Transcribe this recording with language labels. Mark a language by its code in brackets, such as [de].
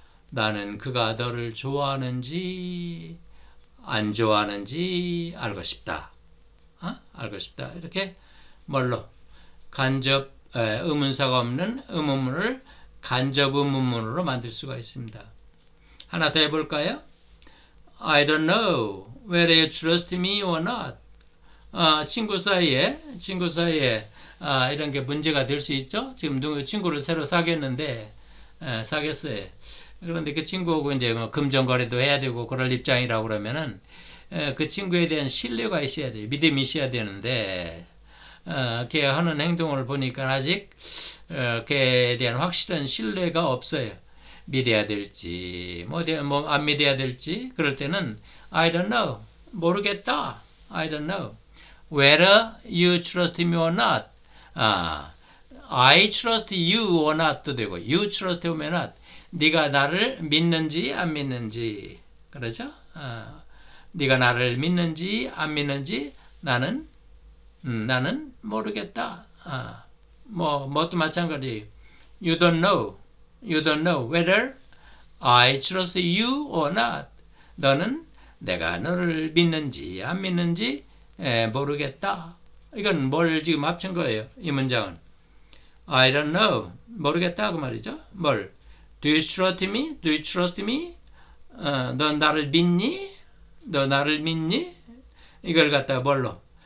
[ko] 나는 그가 너를 좋아하는지 안 좋아하는지 알고 싶다. 알고 싶다. 이렇게 뭘로? 간접 의문사가 없는 의문문을 간접 의문문으로 만들 수가 있습니다. 하나 더 해볼까요? [en] I don't know whether you trust me or not. [ko] 친구 사이에 이런 게 문제가 될수 있죠. 지금 누구 친구를 새로 사귀었는데 사귀었어요. 그런데 그 친구하고 이제 뭐 금전거래도 해야 되고 그럴 입장이라고 그러면은 그 친구에 대한 신뢰가 있어야 돼요. 믿음이 있어야 되는데 걔 하는 행동을 보니까 아직 걔에 대한 확실한 신뢰가 없어요. 믿어야 될지 뭐안 믿어야 될지 그럴 때는 [en] I don't know [ko] 모르겠다. [en] I don't know whether you trust me or not. I trust you or not도 [ko] 되고 [en] you trust me or not. [ko] 네가 나를 믿는지 안 믿는지 그러죠? 네가 나를 믿는지 안 믿는지 나는 모르겠다. 뭐도 마찬가지. [en] You don't know whether I trust you or not. [ko] 너는 내가 너를 믿는지 안 믿는지 모르겠다. 이건 뭘 지금 합친 거예요? 이 문장은. [en] I don't know. [ko] 모르겠다 그 말이죠. 뭘? [en] Do you trust me? Do you trust me? [ko] 너 나를 믿니? 너 나를 믿니? 이걸 갖다가 뭘로?